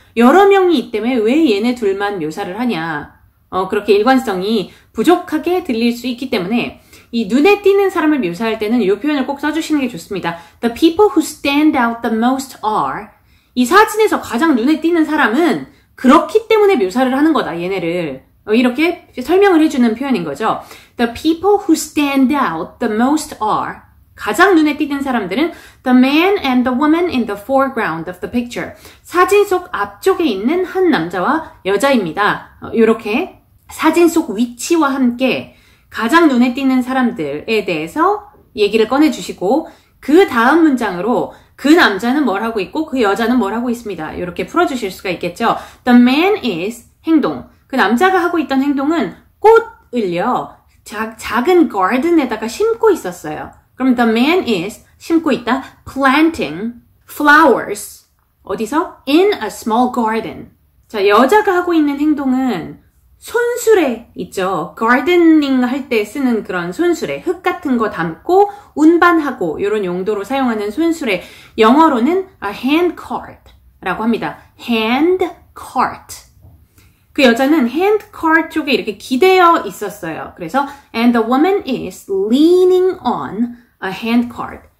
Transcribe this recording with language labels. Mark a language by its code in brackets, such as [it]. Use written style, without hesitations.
[ko] 여러 명이 있기 때문에 왜 얘네 둘만 묘사를 하냐. 그렇게 일관성이 부족하게 들릴 수 있기 때문에 이 눈에 띄는 사람을 묘사할 때는 이 표현을 꼭 써주시는 게 좋습니다. [en] The people who stand out the most are [ko] 이 사진에서 가장 눈에 띄는 사람은 그렇기 때문에 묘사를 하는 거다, 얘네를. 이렇게 설명을 해주는 표현인 거죠. [en] The people who stand out the most are [ko] 가장 눈에 띄는 사람들은 [en] The man and the woman in the foreground of the picture. [ko] 사진 속 앞쪽에 있는 한 남자와 여자입니다. 이렇게 사진 속 위치와 함께 가장 눈에 띄는 사람들에 대해서 얘기를 꺼내주시고 그 다음 문장으로 그 남자는 뭘 하고 있고 그 여자는 뭘 하고 있습니다. 이렇게 풀어주실 수가 있겠죠. [en] The man is [ko] 행동. 그 남자가 하고 있던 행동은 꽃을요. 작은 garden에다가 심고 있었어요. 그럼 [en] the man is [ko] 심고 있다 [en] planting flowers [ko] 어디서? [en] in a small garden [ko] 자 여자가 하고 있는 행동은 손수레 있죠 gardening 할 때 쓰는 그런 손수레 흙 같은 거 담고 운반하고 이런 용도로 사용하는 손수레 영어로는 a hand cart 라고 합니다 hand cart 그 여자는 hand cart 쪽에 이렇게 기대어 있었어요 그래서 [en] and the woman is leaning on A hand card.